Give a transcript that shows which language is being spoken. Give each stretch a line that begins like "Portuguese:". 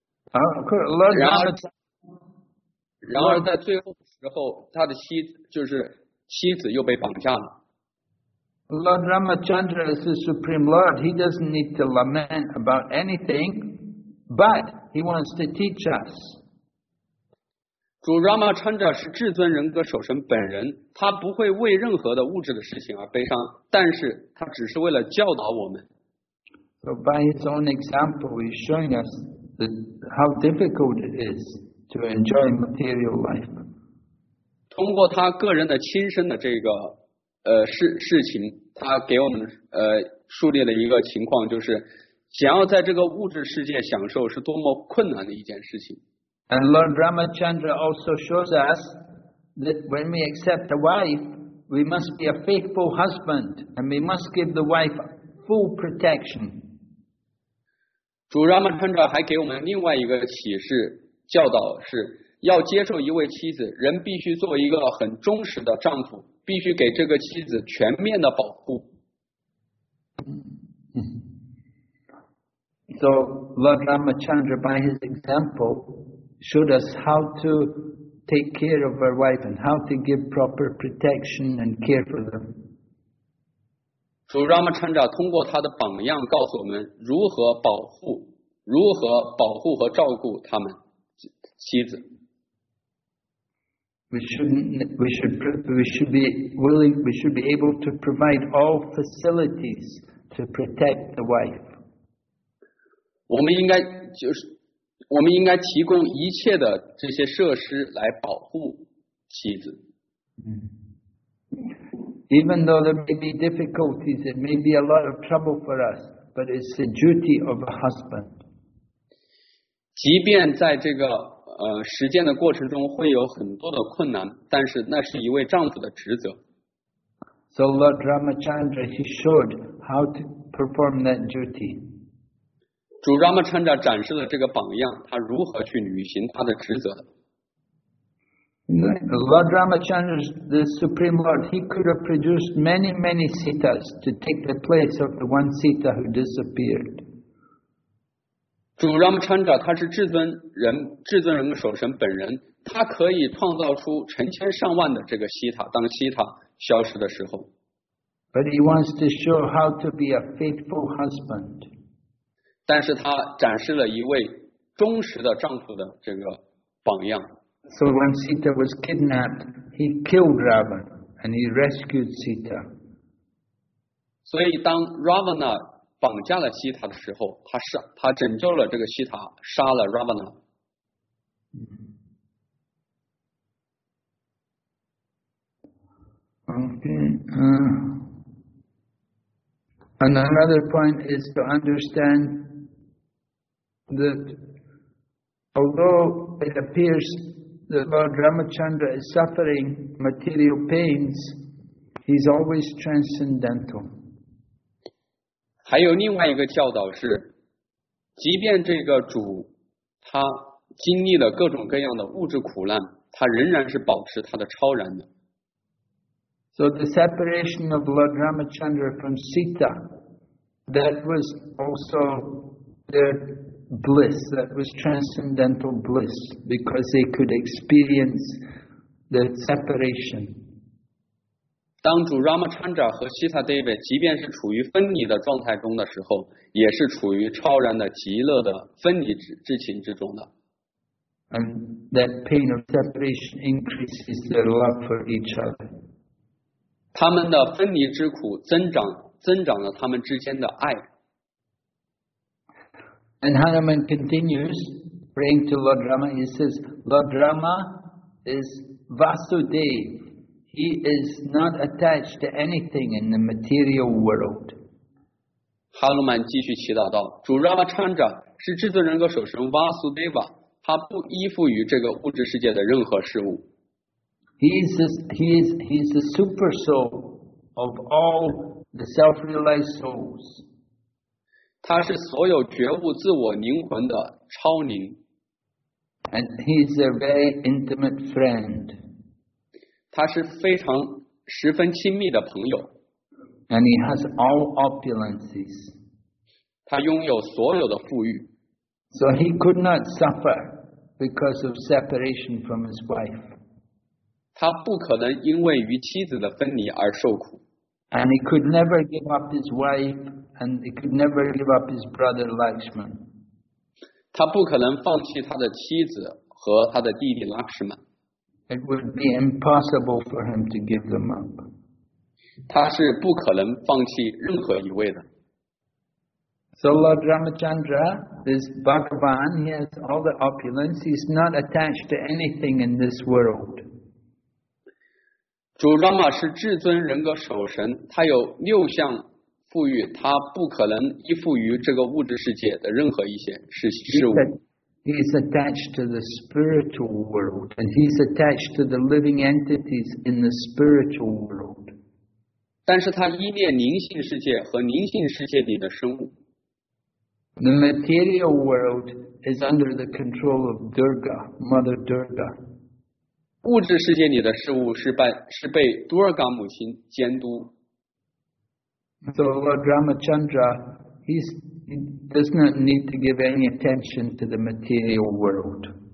Chinese: 然而在最后的时候，他的妻子就是妻子又被绑架了。
English: Lord Ramachandra is the Supreme Lord. He doesn't need to lament about anything, but he wants to teach us.
Chinese: 主 Ramachandra 是至尊人格守神本人，他不会为任何的物质的事情而悲伤，但是他只是为了教导我们。
English: So by his own example, he's showing us how difficult it is to enjoy material life.
Chinese: 通过他个人的亲身的这个事情，他给我们树立了一个情况，就是想要在这个物质世界享受是多么困难的一件事情。
English: And Lord Ramachandra also shows us that when we accept a wife, we must be a faithful husband, and we must give the wife full protection.
Chinese: 主 Ramachandra 还给我们另外一个启示，教导是要接受一位妻子，人必须做一个很忠实的丈夫。必须给这个妻子全面的保护。
English: So Lord Ramachandra, by his example, showed us how to take care of our wife and how to give proper protection and care for them.
Chinese: 主 Ramachandra 通过他的榜样告诉我们如何保护，如何保护和照顾他们妻子。
English: We should be able to provide all facilities to protect the wife.
Chinese: 我们应该提供一切的这些设施来保护妻子。
English: Even though there may be difficulties, it may be a lot of trouble for us, but it's the duty of a husband.
Chinese: 即便在这个实践的过程中会有很多的困难，但是那是一位丈夫的职责。
English: So Lord Ramachandra, he showed how to perform that duty.
Chinese: 主 Ramachandra 展示了这个榜样，他如何去履行他的职责。
English: Lord Ramachandra, the Supreme Lord, he could have produced many, many sitas to take the place of the one sita who disappeared.
Chinese: 主 Ramachandra 他是至尊人格守神本人，他可以创造出成千上万的这个西塔，当西塔消失的时候。
English: But he wants to show how to be a faithful husband.
Chinese: 但是他展示了一位忠实的丈夫的这个榜样。
English: So when Sita was kidnapped, he killed Ravana and he rescued Sita.
Chinese: 所以当 Ravana绑架了西塔的时候，他拯救了这个西塔，杀了 Ravana。
English: And another point is to understand that although it appears that Lord Ramachandra is suffering material pains, he's always transcendental.
Chinese: 还有另外一个教导是，即便这个主他经历了各种各样的物质苦难，他仍然是保持他的超然的。
English: So the separation of Lord Ramachandra from Sita, that was also their bliss, that was transcendental bliss, because they could experience the separation.
Chinese: 当主 Ramachandra 和 Sita Devi 即便是处于分离的状态中的时候，也是处于超然的极乐的分离之情之中的。
English: And that pain of separation increases their love for each other.
Chinese: 他们的分离之苦增长了他们之间的爱。
English: And Hanuman continues praying to Lord Rama. He says, Lord Rama is Vasudev. He is not attached to anything in the material world.
Chinese: Hanuman 继续祈祷道：“主 Ramachandra 是至尊人格守神 Vasudeva， 他不依附于这个物质世界的任何事物。
English: He is the super soul of all the self-realized souls.
Chinese: 他是所有觉悟自我灵魂的超灵。
English: And he's a very intimate friend.
Chinese: 他是非常十分亲密的朋友。
English: And he has all opulences.
Chinese: 他拥有所有的富裕。
English: So he could not suffer because of separation from his wife.
Chinese: 他不可能因为与妻子的分离而受苦。
English: And he could never give up his wife, and he could never give up his brother Lakshman.
Chinese: 他不可能放弃他的妻子和他的弟弟 Lakshman.
English: It would be impossible for him to give them up.
Chinese: 他是不可能放弃任何一位的。
English: So Lord Ramachandra, this Bhagavan, he has all the opulence. He's not attached to anything in this world.
Chinese: 主拉玛是至尊人格守神，他有六项富裕，他不可能依附于这个物质世界的任何一些事物。
English: He's attached to the spiritual world, and he's attached to the living entities in the spiritual world.
Chinese: 但是他依恋灵性世界和灵性世界里的生物。
English: The material world is under the control of Durga, Mother Durga.
Chinese: 物质世界里的事物是被 Durga 母亲监督。
English: So Lord Ramachandra, he does not need to give any attention to the material world.